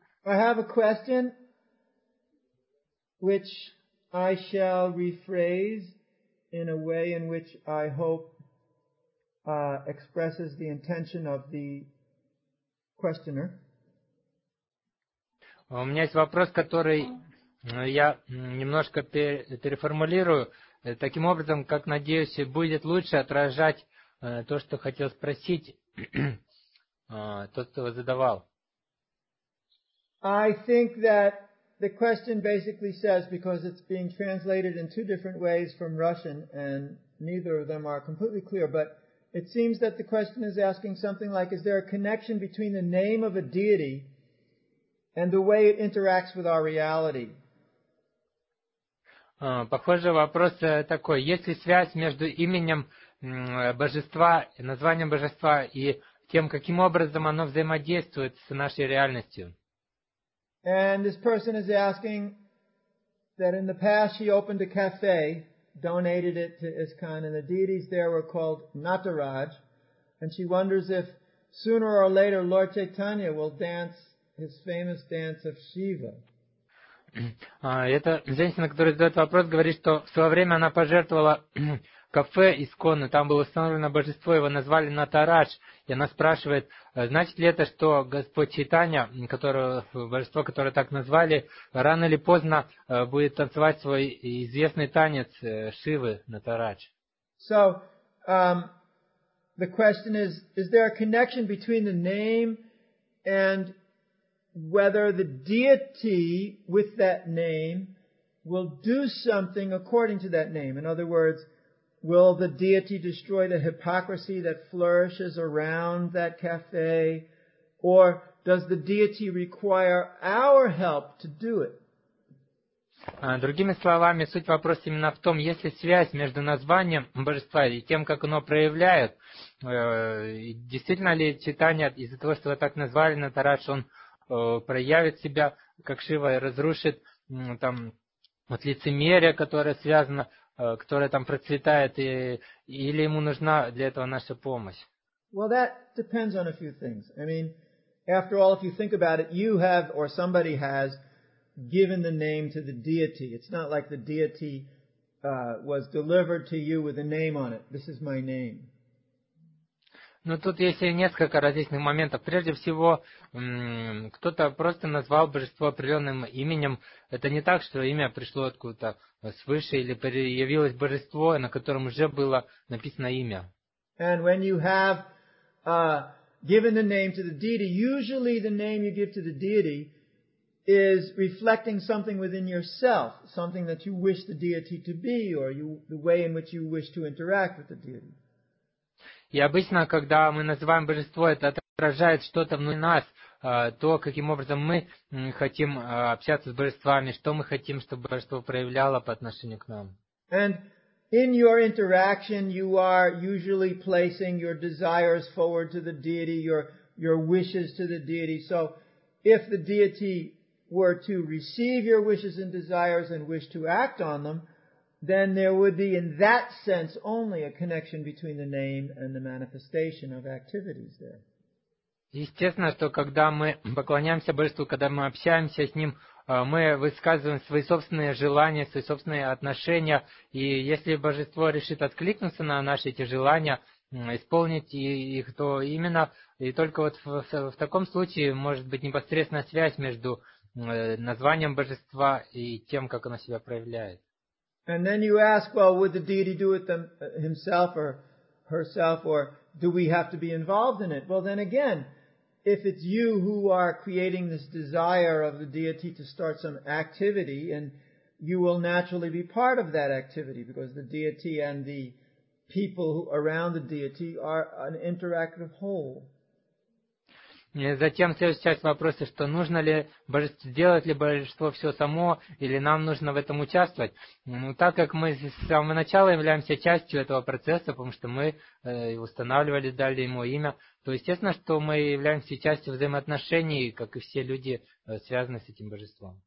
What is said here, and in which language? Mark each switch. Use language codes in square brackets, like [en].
[en] I have a question, which I shall rephrase in a way in which I hope expresses the intention of the questioner. [ru] У меня есть вопрос, который я немножко переформулирую таким образом, как, надеюсь, будет лучше отражать то, что хотел спросить тот, кто его задавал. [en] I think that the question basically says, because it's being translated in two different ways from Russian, and neither of them are completely clear, but it seems that the question is asking something like, is there a connection between the name of a deity and the way it interacts with our reality? [ru] Похоже, вопрос такой. Есть ли связь между именем божества, названием божества и тем, каким образом оно взаимодействует с нашей реальностью? [en] And this person is asking that in the past he opened a cafe, donated it to ISKCON, and the deities there were called Nataraj. And she wonders if sooner or later Lord Chaitanya will dance his famous dance of Shiva. [ru] Эта женщина, которая задает вопрос, говорит, что в свое время она пожертвовала кафе ИСККОН, там было установлено божество, его назвали Натарадж. И она спрашивает, значит ли это, что Господь Чайтанья, божество, которое так назвали, рано или поздно будет танцевать свой известный танец Шивы Натарадж. [en] So, the question is there a connection between the name and whether the deity with that name will do something according to that name? In other words, will the deity destroy the hypocrisy that flourishes around that cafe? Or does the deity require our help to do it? [ru] Другими словами, суть вопроса именно в том, есть ли связь между названием божества и тем, как оно проявляет. Действительно ли Чайтанья из-за того, что его так назвали, Натарадж, он проявит себя, как Шива, и разрушит там вот лицемерие, которое связано, которое там процветает, и, или ему нужна для этого наша помощь? [en] Well, that depends on a few things. I mean, after all, if you think about it, you have, or somebody has, given the name to the deity. It's not like the deity was delivered to you with a name on it. This is my name. [ru] Но тут есть несколько различных моментов. Прежде всего, кто-то просто назвал божество определенным именем. Это не так, что имя пришло откуда-то свыше, или появилось божество, на котором уже было написано имя. [en] And when you have given the name to the deity, usually the name you give to the deity is reflecting something within yourself, something that you wish the deity to be, or you, the way in which you wish to interact with the deity. [ru] И обычно, когда мы называем божество, это отражает что-то внутри нас, то, каким образом мы хотим общаться с божествами, что мы хотим, чтобы божество проявляло по отношению к нам. [en] And in your interaction you are usually placing your desires forward to the deity, your wishes to the deity. So if the deity were to receive your wishes and desires and wish to act on them, then there would be, in that sense, only a connection between the name and the manifestation of activities there. [ru] Естественно, что когда мы поклоняемся Божеству, когда мы общаемся с Ним, мы высказываем свои собственные желания, свои собственные отношения, и если Божество решит откликнуться на наши эти желания, исполнить их, то именно, и только вот в таком случае может быть непосредственная связь между названием Божества и тем, как оно себя проявляет. [en] And then you ask, well, would the deity do it himself or herself, or do we have to be involved in it? Well, then again, if it's you who are creating this desire of the deity to start some activity, and you will naturally be part of that activity because the deity and the people around the deity are an interactive whole. [ru] И затем следующая часть вопроса, что нужно ли божество, делать ли божество все само, или нам нужно в этом участвовать. Ну, так как мы с самого начала являемся частью этого процесса, потому что мы устанавливали, дали ему имя, то естественно, что мы являемся частью взаимоотношений, как и все люди, связанные с этим божеством.